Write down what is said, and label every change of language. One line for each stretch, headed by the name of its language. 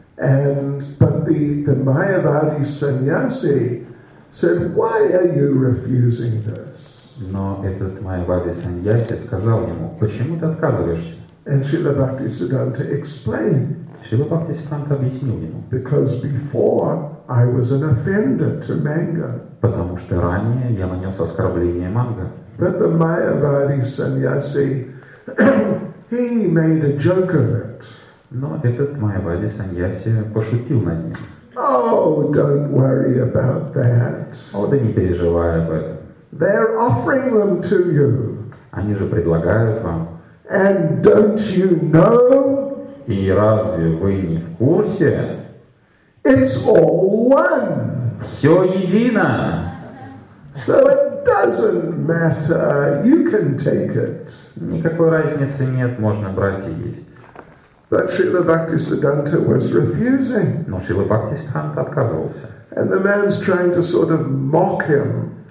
English: But the Mayavadi sannyasi said, "Why are you refusing this?"
Russian: Но этот Mayavadi sannyasi сказал ему, почему ты отказываешься?
English: And Srila Bhaktisiddhanta explained.
Russian: Srila Bhaktisiddhanta объяснил ему.
English: Because before I was an offender to mango.
Russian: Потому что ранее я нанес оскорбление манго.
English: But the Mayavadi sannyasi, he made a joke of it.
Russian: Но этот Mayavadi sannyasi пошутил над ним.
English: Oh, don't worry about that.
Russian: О, да не переживай об этом.
English: They're offering them to you.
Russian: Они же предлагают вам.
English: And don't you know?
Russian: И разве вы не в курсе?
English: It's all one.
Russian: Все едино.
English: So it doesn't matter. You can take it.
Russian: Никакой разницы нет, можно брать и есть.
English: But Srila Bhaktisiddhanta was refusing.
Russian: Но Шрила Бхактисиддханта отказывался.
English: And the man's trying to sort of mock him.